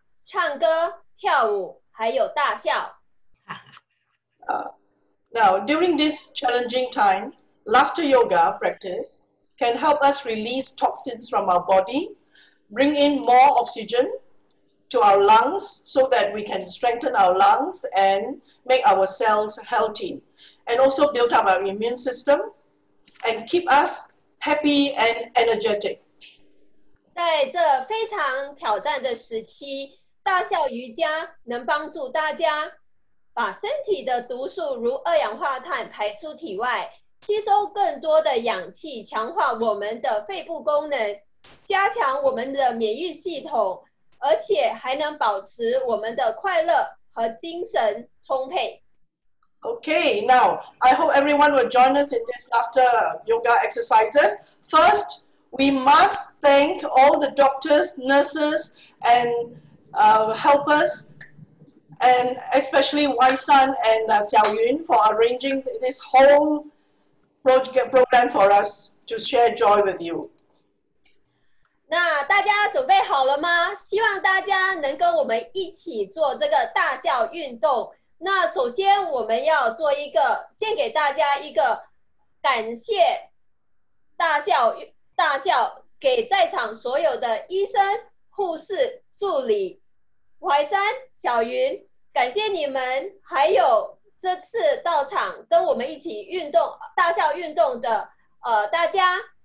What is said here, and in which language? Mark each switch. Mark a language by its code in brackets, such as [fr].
[zh] 今天我们会带给大家欢乐的四大元素：玩耍、唱歌、跳舞，还有大笑。 [en] Now, during this challenging time, laughter yoga practice can help us release toxins from our body, bring in more oxygen to our lungs so that we can strengthen our lungs and make our cells healthy, and also build up our immune system and keep us happy and energetic. [zh] 在这非常挑战的时期，大笑瑜伽能帮助大家 把身体的毒素如二氧化碳排出体外，吸收更多的氧气，强化我们的肺部功能，加强我们的免疫系统，而且还能保持我们的快乐和精神充沛。 [en] Okay, now I hope everyone will join us in this laughter yoga exercises. First, we must thank all the doctors, nurses, and helpers, and especially Wai San and Xiao Yun for arranging this whole program for us to share joy with you. [zh] 那大家准备好了吗？希望大家能跟我们一起做这个大笑运动。那首先我们要做一个，先给大家一个感谢大笑运动。大笑给在场所有的医生、护士、助理、淮山、小云，感谢你们，还有这次到场跟我们一起运动、大笑运动的大家。